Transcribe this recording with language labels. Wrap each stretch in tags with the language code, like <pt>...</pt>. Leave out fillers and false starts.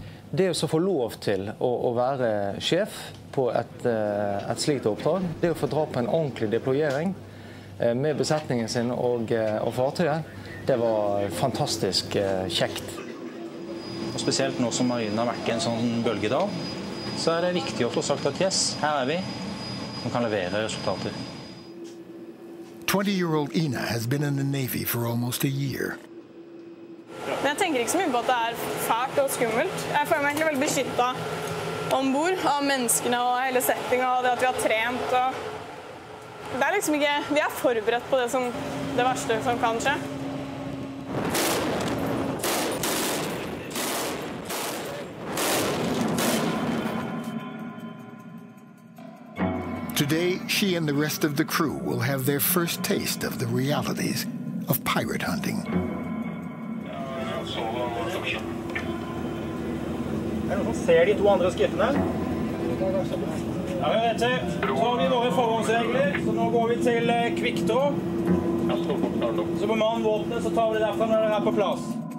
<no>Det å få lov til å være sjef på et slikt oppdrag, det å få dra på en ordentlig deployering, med besetningen sin og fartøyet. Det var fantastisk kjekt. Og spesielt nå som marinen har vært i en sånn bølgedal, så er det viktig å få sagt at yes, her er vi. Vi kan levere resultater.</no> <en>20-year-old Ina has been in the Navy for almost a year.</en> <no>Men jeg tenker ikke så mye på at det er fælt og skummelt. Jeg føler meg egentlig veldig beskyttet ombord av menneskene og hele settingen og det at vi har trent. Det er liksom ikke, vi er forberedt på det verste som kan skje.</no> <en>Today, she and the rest of the crew will have their first taste of the realities of pirate hunting.</en> <no>Er det noen som ser de to andre skiftene? Ja, vi vet det. Så har vi våre forhåndsregler, så nå går vi til kvikto. Så på mann våpenet, så tar vi det derfra når det er på plass.</no>